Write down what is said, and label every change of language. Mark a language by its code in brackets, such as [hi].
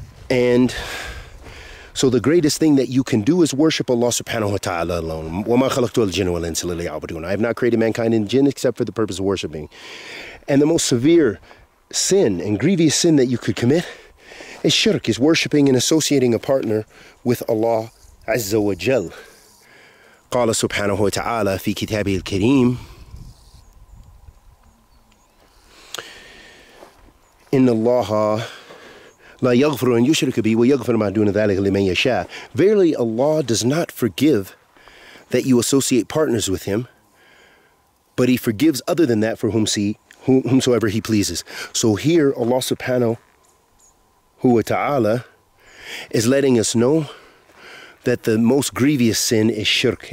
[en] And so the greatest thing that you can do is worship Allah [ar] subhanahu wa ta'ala [en] alone. [ar] وَمَا خَلَقْتُ الْجِنَّ وَالْإِنسَ لِلْيَعْبُدُونَ. [en] I have not created mankind in jinn except for the purpose of worshiping. And the most severe sin and grievous sin that you could commit is shirk, is worshiping and associating a partner with Allah [ar] Azza wa Jal. قَالَ سُبْحَانَهُ وَتَعَالَى فِي كِتَابِ الْكَرِيمِ إِنَّ اللَّهَ لا يغفر أن يشرك به ويغفر ما دون ذلك لمن يشاء. [en] Verily, Allah does not forgive that you associate partners with Him, but He forgives other than that for whomsoever He pleases. So here, Allah [ar] subhanahu wa ta'ala [en] is letting us know that the most grievous sin is shirk.